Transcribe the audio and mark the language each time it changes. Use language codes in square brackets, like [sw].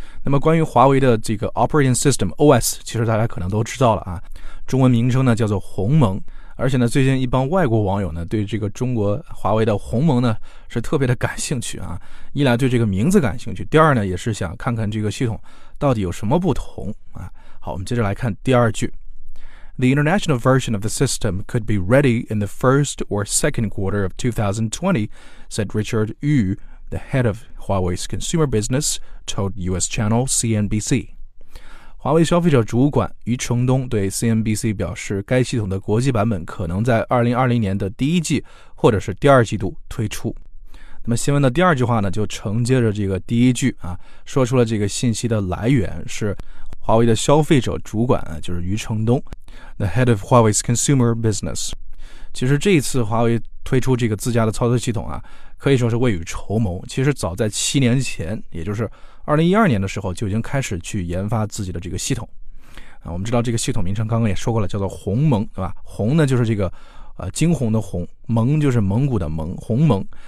[zh] 那么关于华为的这个 operating system OS， 其实大家可能都知道了啊，中文名称呢叫做鸿蒙，而且呢最近一帮外国网友呢对这个中国华为的鸿蒙呢是特别的感兴趣啊，一来对这个名字感兴趣，第二呢也是想看看这个系统到底有什么不同啊。好，我们接着来看第二句。 [en] The international version of the system could be ready in the first or second quarter of 2020, said Richard Yu, the head of Huawei's consumer business, told U.S. channel CNBC. [zh] 华为消费者主管余承东对 CNBC 表示，该系统的国际版本可能在2020年的第一季或者是第二季度推出。那么新闻的第二句话呢，就承接着这个第一句啊，说出了这个信息的来源是华为的消费者主管啊，就是余承东。 [en] The head of Huawei's consumer business. [zh] 其实这一次华为推出这个自家的操作系统啊，可以说是未雨绸缪。其实早在七年前，也就是2012年的时候，就已经开始去研发自己的这个系统。啊，我们知道这个系统名称刚刚也说过了，叫做鸿蒙，对吧？鸿呢就是这个惊鸿的鸿，蒙就是蒙古的蒙，鸿蒙。